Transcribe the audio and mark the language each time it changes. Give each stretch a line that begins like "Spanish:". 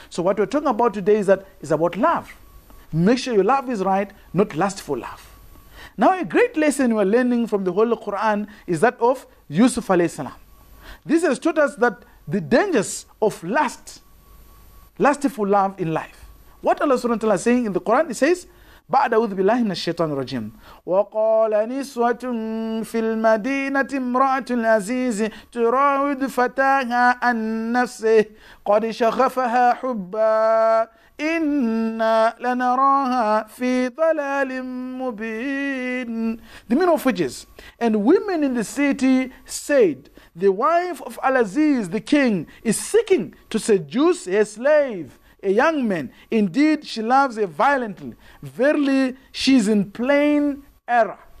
English: So what we're talking about today is about love. Make sure your love is right, not lustful love. Now, a great lesson we're learning from the Holy Quran is that of Yusuf alayhi salam. This has taught us that the dangers of lustful love in life. What Allah SWT is saying in the Quran, it says,
Arabic: بعد أعوذ بالله من الشيطان الرجيم وقال نسوة في المدينة امرأة العزيز تراود فتاها عن نفسه قد شغفها حبا إنا لنراها في ضلال مبين.
English: The men of Fujis and women in the city said, the wife of Al-Aziz, the king, is seeking to seduce her slave, a young man. Indeed, she loves her violently. Verily, she is in plain error.